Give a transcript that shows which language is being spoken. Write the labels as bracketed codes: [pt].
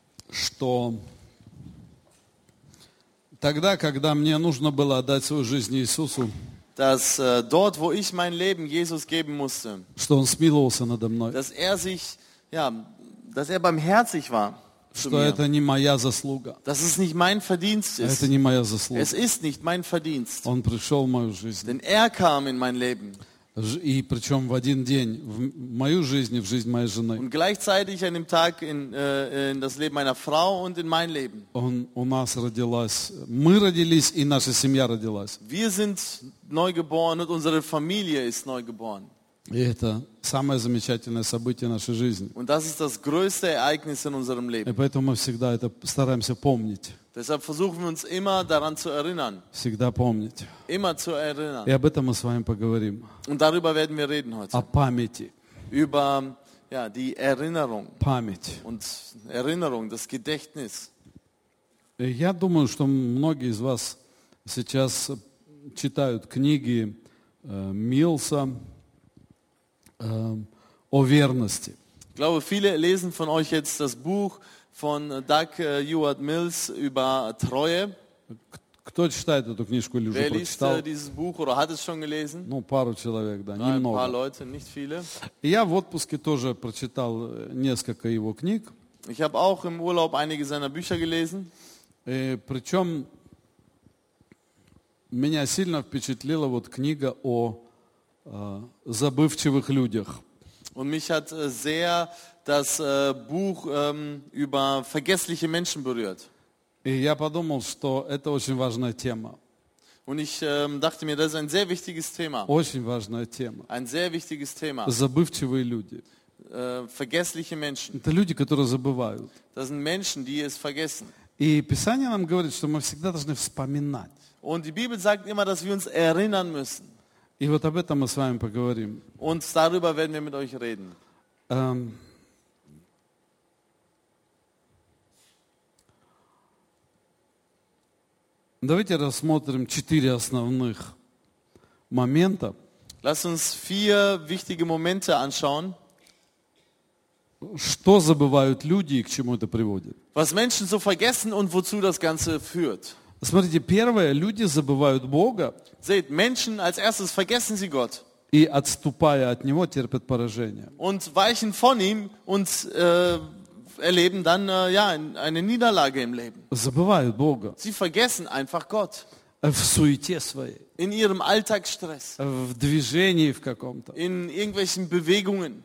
[ru] что тогда, когда мне нужно было отдать свою жизнь Иисусу, [de] dass dort, wo ich mein Leben Jesus geben musste, [ru] что он смиловался надо мной, [de] dass er sich, ja, dass er barmherzig war, [ru] что это не моя заслуга, [de] dass es nicht mein Verdienst ist, [ru] это не моя заслуга, [de] es ist nicht mein Verdienst, [ru] он пришел в мою жизнь, [de] denn er kam in mein Leben. [ru] И причем в один день в мою жизнь и в жизнь моей жены. [de] Und gleichzeitig an dem Tag in das Leben meiner Frau und in mein Leben. [ru] Он у нас родилась, мы родились и наша семья родилась. [de] Wir sind neu geboren und unsere Familie ist neu geboren. [ru] И это самое замечательное событие нашей жизни. [de] Und das ist das größte Ereignis in unserem Leben. [ru] И поэтому мы всегда это стараемся помнить. [de] Deshalb versuchen wir uns immer daran zu erinnern. [ru] Всегда помнить. [de] Immer zu erinnern. [ru] И об этом мы с вами поговорим. [de] Und darüber werden wir reden heute. [ru] О памяти. [de] Über, ja, die Erinnerung. [ru] Память. [de] Und Erinnerung, das Gedächtnis. [ru] Я думаю, что многие из вас сейчас читают книги Милса о верности. [de] Ich glaube, viele lesen von euch jetzt das Buch von Doug Ewart Mills über Treue. [ru] Кто читает эту книжку или уже прочитал? [de] Wer liest dieses Buch oder hat es schon gelesen? [ru] Ну, пару человек, да, немного. [de] Ein paar Leute, nicht viele. [ru] Я в отпуске тоже прочитал несколько его книг. [de] Ich habe auch im Urlaub einige seiner Bücher gelesen. [ru] Причем меня сильно впечатлила вот книга о забывчивых людях. [de] Und mich hat sehr das Buch über vergessliche Menschen berührt. [ru] И я подумал, что это очень важная тема. [de] Und ich dachte mir, das ist ein sehr wichtiges Thema. [ru] Очень важная тема. [de] Ein sehr wichtiges Thema. [ru] Забывчивые люди. [de] Vergessliche Menschen. [ru] Это люди, которые забывают. [de] Das sind Menschen, die es vergessen. [ru] И Писание нам говорит, что мы всегда должны вспоминать. [de] Und die Bibel sagt immer, dass wir uns erinnern müssen. [ru] И вот об этом мы с вами поговорим. [de] Und darüber werden wir mit euch reden. [ru] Давайте рассмотрим четыре основных момента. [de] Lass uns vier wichtige Momente anschauen. [ru] Что забывают люди и к чему это приводит? [de] Was Menschen so vergessen und wozu das Ganze führt? [ru] Смотрите, первое, люди забывают Бога. [de] Seht, Menschen als erstes vergessen sie Gott. [ru] И отступая от него, терпят поражение. [de] Und weichen von ihm und erleben dann ja eine Niederlage im Leben. [ru] Забывают Бога. [de] Sie vergessen einfach Gott. [ru] В суете своей. [de] In ihrem Alltagsstress. [ru] В движении в каком-то. [de] In irgendwelchen Bewegungen.